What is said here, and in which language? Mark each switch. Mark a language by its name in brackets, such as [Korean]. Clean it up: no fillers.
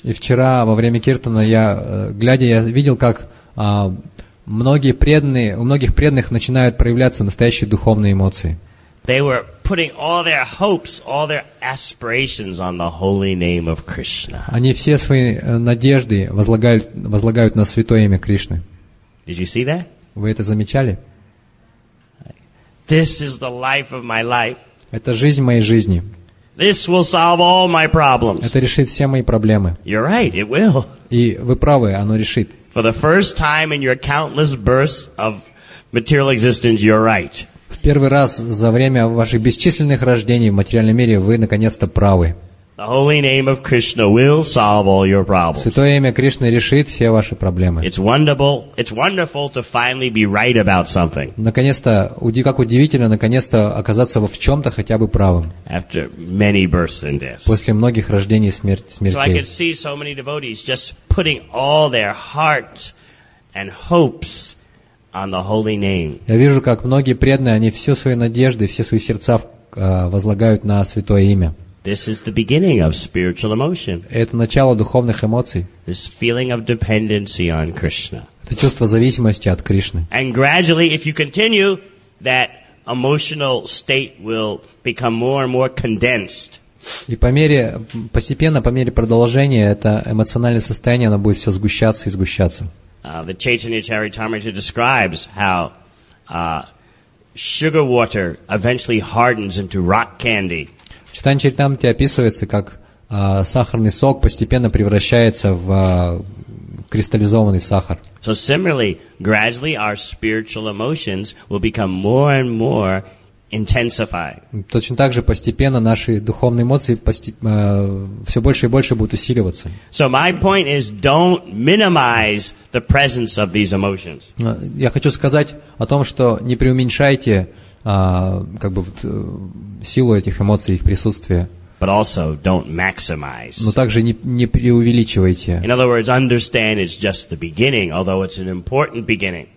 [Russian] И вчера во время киртана я видел, как у многих преданных начинают проявляться настоящие духовные эмоции. [English] They were putting all their hopes, all their aspirations on the holy name of Krishna. [Russian] Они все свои надежды возлагают на святое имя Кришны. [English] Did you see that? [Russian] Вы это замечали? [English] This is the life of my life. [Russian] Это жизнь моей жизни. [English] This will solve all my problems. [Russian] Это решит все мои проблемы. [English] You're right, it will. [Russian] И вы правы, оно решит. [English] For the first time in your countless births of material existence, you're right. [Russian] В первый раз за время ваших бесчисленных рождений в материальном мире вы наконец-то правы. [English] The holy name of Krishna will solve all your problems. [Russian] Святое имя Кришны решит все ваши проблемы. [English] It's wonderful to finally be right about something. [Russian] Наконец-то, как удивительно, наконец-то оказаться в чем-то хотя бы правым. [English] After many births in this. [Russian] После многих рождений смертей. [English] So I could see so many devotees just putting all their heart and hopes on the holy name. [Russian] Я вижу, как многие преданные, они все свои надежды, все свои сердца возлагают на святое имя. [English] This is the beginning of spiritual emotion. [Russian] Это начало духовных эмоций. [English] This feeling of dependency on Krishna. [Russian] Это чувство зависимости от Кришны. [English] And gradually, if you continue, that emotional state will become more and more condensed. [Russian] И по мере продолжения, это эмоциональное состояние, оно будет все сгущаться и сгущаться. [English] The Chaitanya Charitamrita describes how sugar water eventually hardens into rock candy. [Russian] Чайтанья Чаритамрита описывается, как сахарный сок постепенно превращается в кристаллизованный сахар. [English] So similarly, gradually our spiritual emotions will become more and more intensify. [Russian] Точно так же постепенно наши духовные эмоции все больше и больше будут усиливаться. [English] So my point is, don't minimize the presence of these emotions. [Russian] Я хочу сказать о том, что не преуменьшайте силу этих эмоций, их присутствие. [English] But also don't maximize. [Russian] Но также не преувеличивайте. [English] In other words, understand it's just the beginning, although it's an important beginning.